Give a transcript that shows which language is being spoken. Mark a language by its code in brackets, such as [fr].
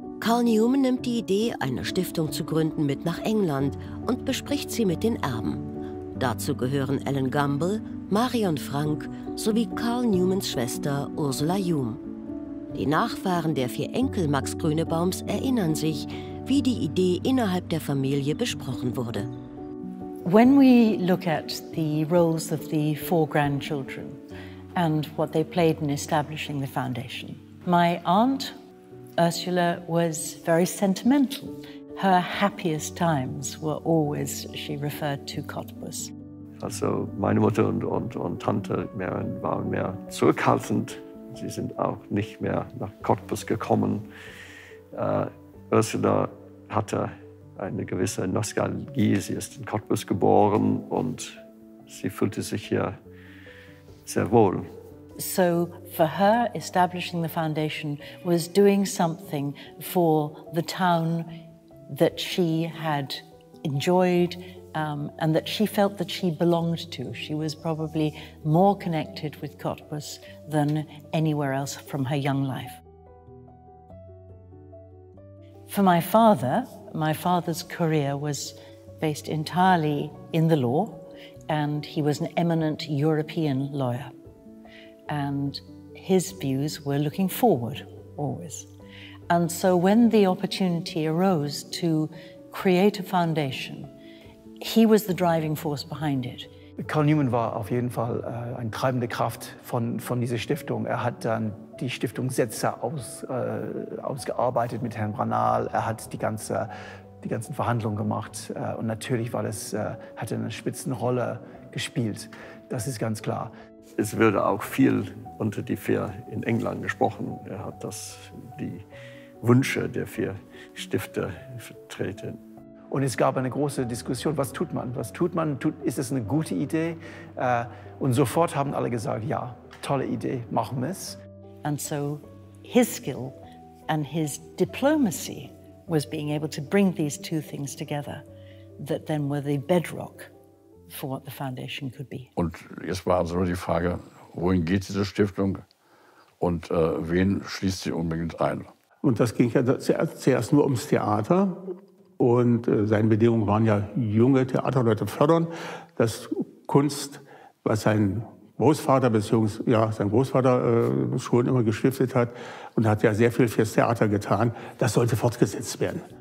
[de] Carl Newman nimmt die Idee, eine Stiftung zu gründen, mit nach England und bespricht sie mit den Erben. Dazu gehören Ellen Gumbel, Marion Frank sowie Carl Newmans Schwester Ursula Hume. Die Nachfahren der vier Enkel Max Grünebaums erinnern sich, wie die Idee innerhalb der Familie besprochen wurde. [en] When we look at the roles of the four grandchildren and what they played in establishing the foundation, my aunt Ursula was very sentimental. Her happiest times were always, she referred to Cottbus. [de] Also meine Mutter und Tante Marion waren mehr zurückhaltend. Sie sind auch nicht mehr nach Cottbus gekommen. Ursula hatte eine gewisse Nostalgie. Sie ist in Cottbus geboren und sie fühlte sich hier sehr wohl. [en] So for her, establishing the foundation was doing something for the town that she had enjoyed and that she felt that she belonged to. She was probably more connected with Cottbus than anywhere else from her young life. For my father's career was based entirely in the law, and he was an eminent European lawyer. And his views were looking forward, always. And so when the opportunity arose to create a foundation, he was the driving force behind it. [de] Carl Newman war auf jeden Fall eine treibende Kraft von dieser Stiftung. Er hat dann die Stiftungssätze ausgearbeitet mit Herrn Branal. Er hat die ganzen Verhandlungen gemacht. Und natürlich hat er eine Spitzenrolle gespielt. Das ist ganz klar. Es wurde auch viel unter die vier in England gesprochen. Er hat die Wünsche der vier Stifter vertreten. Und es gab eine große Diskussion, was tut man? Was tut man? Ist es eine gute Idee? Und sofort haben alle gesagt, ja, tolle Idee, machen wir es. [en] And so his skill and his diplomacy was being able to bring these two things together that then were the bedrock for what the foundation could be. [de] Und jetzt war also nur die Frage, wohin geht diese Stiftung und wen schließt sie unbedingt ein? Und das ging ja zuerst nur ums Theater. Und seine Bedingungen waren ja, junge Theaterleute fördern, dass Kunst, was sein Großvater schon immer gestiftet hat und hat ja sehr viel fürs Theater getan, das sollte fortgesetzt werden.